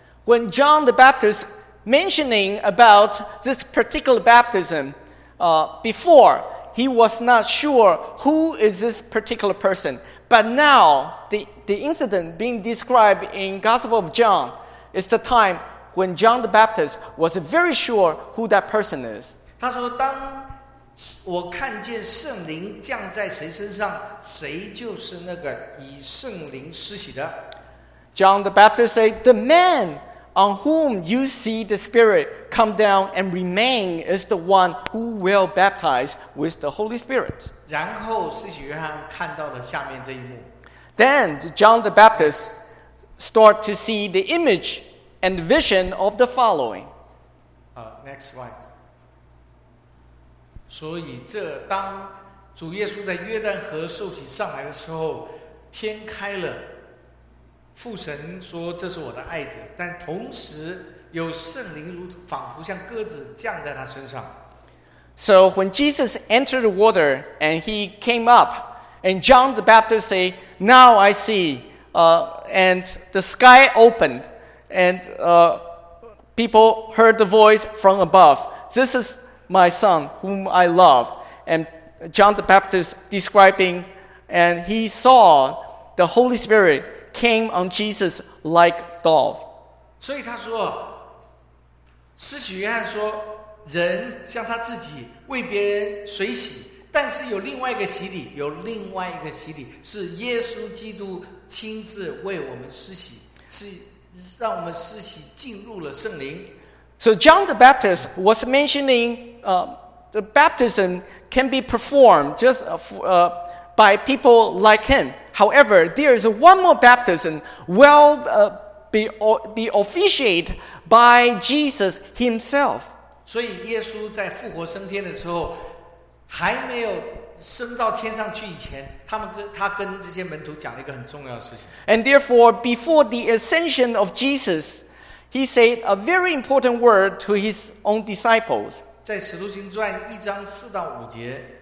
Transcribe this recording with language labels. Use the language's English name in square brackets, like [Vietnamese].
[English] When John the Baptist mentioning about this particular baptism, before he was not sure who is this particular person, but now the incident being described in Gospel of John is the time when John the Baptist was very sure who that person is. [Chinese] 他说当我看见圣灵降在谁身上，谁就是那个以圣灵施洗的。 [English] John the Baptist said, "The man on whom you see the Spirit come down and remain is the one who will baptize with the Holy Spirit. [Chinese] 然后使徒约翰看到了下面这一幕。 [English] Then John the Baptist start to see the image and vision of the following. Next slide. [Chinese] 所以这当主耶稣在约旦河受洗上来的时候，天开了。父神说这是我的爱子，但同时有圣灵如仿佛像鸽子降在他身上。 [English] So when Jesus entered the water and he came up, and John the Baptist said, Now I see, and the sky opened, and people heard the voice from above. This is my son whom I love. And John the Baptist describing, and he saw the Holy Spirit came on Jesus like dove. [Chinese] 所以他说，施洗约翰说，人像他自己为别人水洗，但是有另外一个洗礼，有另外一个洗礼是耶稣基督亲自为我们施洗，是让我们施洗进入了圣灵。 [English] So John the Baptist was mentioning, the baptism can be performed just by people like him. However, there is one more baptism will be officiated by Jesus himself. [Chinese] 所以耶稣在复活升天的时候，还没有升到天上去以前，他跟这些门徒讲了一个很重要的事情。 [English] And therefore, before the ascension of Jesus, he said a very important word to his own disciples. [Chinese] 在使徒行传一章四到五节，